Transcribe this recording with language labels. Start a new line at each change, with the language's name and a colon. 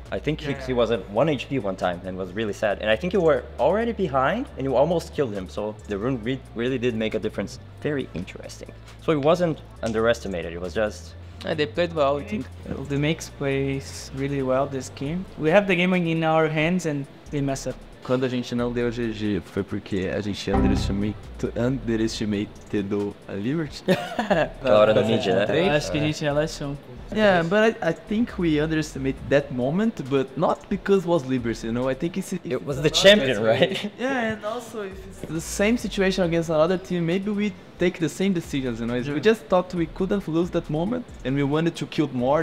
English: I think he was at 1 HP one time and was really sad. And I think you were already behind and you almost killed him. So the rune really did make a difference. Very interesting. So he wasn't underestimated, it was just... Yeah, they played well, I think. The mix plays really well this game. We have the game in our hands and they mess up.
Portuguese: Quando a gente não deu GG, foi porque a gente underestimated a Liberty. Hora do ninja, né? Acho que a gente relaxou.
English: Yeah, but I think we underestimated that moment, but not because it was Liberty, you know? I think it's... It was the champion, right? Yeah, and also if it's the same situation against another team, maybe we take the same decisions, you know? Yeah. We just thought we couldn't lose that moment, and we wanted to kill more.